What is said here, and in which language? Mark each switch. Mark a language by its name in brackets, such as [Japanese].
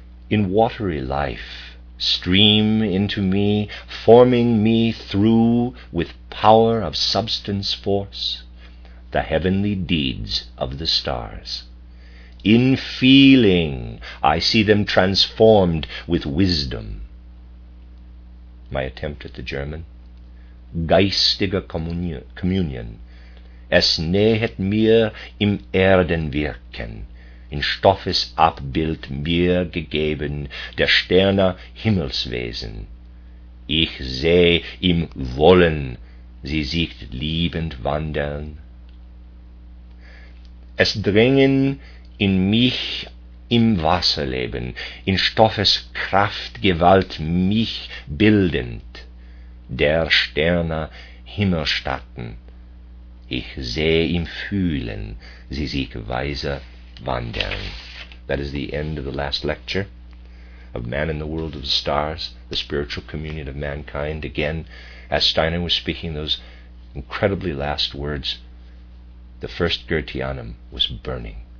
[English] In watery life stream into me, forming me through with power of substance force, the heavenly deeds of the stars. In feeling I see them transformed with wisdom. My attempt at the German. [German] Geistige Communion. Es nähet mir im Erdenwirken. In Stoffes Abbild mir gegeben der Sterne Himmelswesen. Ich seh im Wollen sie sich liebend wandeln. Es dringen in mich im Wasserleben, in Stoffes Kraftgewalt mich bildend, der Sterne Himmelstatten, ich seh im Fühlen sie sich weiser wandern. [English] That is the end of the last lecture of Man in the World of the Stars, the Spiritual Communion of Mankind. Again, as Steiner was speaking those incredibly last words, the first Goetheanum was burning.